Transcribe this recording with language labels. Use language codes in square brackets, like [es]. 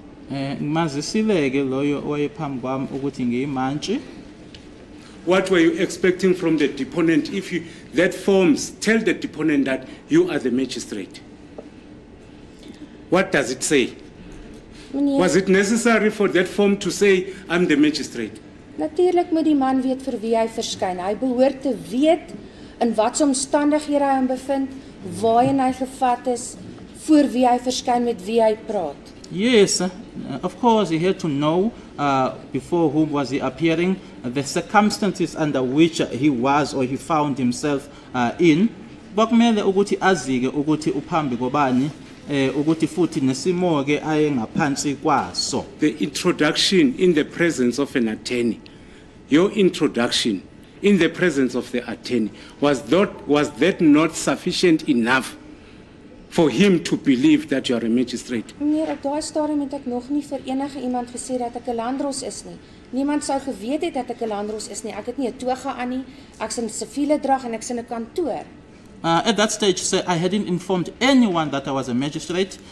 [zu] Ngimazisileke loyo owayephambi kwami ukuthi ngiyimantshi. [en] What were you expecting from the deponent? If you that forms, tell the deponent that you are the magistrate. What does it say? [af] Meneer, [en] was it necessary for that form to say I'm the magistrate? [af] Natuurlik moet die man weet vir wie hy verskyn. Hy behoort te weet in wat se omstandighede hy hom bevind, waarheen hy gevat is, voor wie hy verskyn, met wie hy praat. [en] Yes, of course he had to know before whom was he appearing, the circumstances under which he was or he found himself in. [zu] Bakumele ukuthi azike ukuthi uphambi kobani, ukuthi futhi nesimo ke ayengaphansi kwaso. [en] The introduction in the presence of an attorney, your introduction in the presence of the attorney, was that not sufficient enough for him to believe that you are a magistrate? [af] Meneer, op daai stadium het ek nog nie vir enige iemand gesê dat ek 'n landros is nie. Niemand sou geweet het dat ek 'n landros is nie. Ek het nie 'n toga aan nie. Ek's in siviele drag en ek's in 'n kantoor. [en] At that stage, sir, I hadn't informed anyone that I was a magistrate.